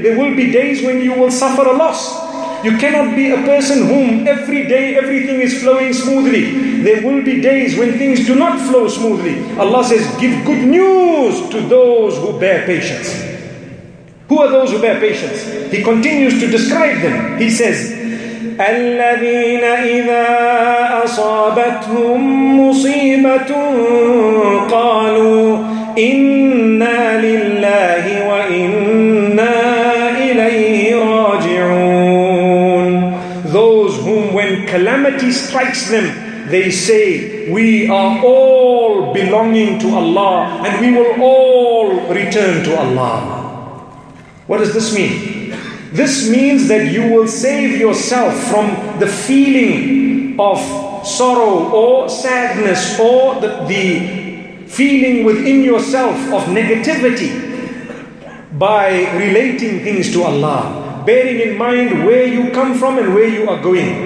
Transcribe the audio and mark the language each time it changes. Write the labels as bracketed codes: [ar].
[en] There will be days when you will suffer a loss. You cannot be a person whom every day everything is flowing smoothly. There will be days when things do not flow smoothly. Allah says, give good news to those who bear patience. Who are those who bear patience? He continues to describe them. He says, [ar] الذين إذا أصابتهم مصيبة قالوا إنا لله وإنا إليه راجعون. [en] Those whom when calamity strikes them, they say, we are all belonging to Allah and we will all return to Allah. What does this mean? This means that you will save yourself from the feeling of sorrow or sadness or the feeling within yourself of negativity by relating things to Allah, bearing in mind where you come from and where you are going.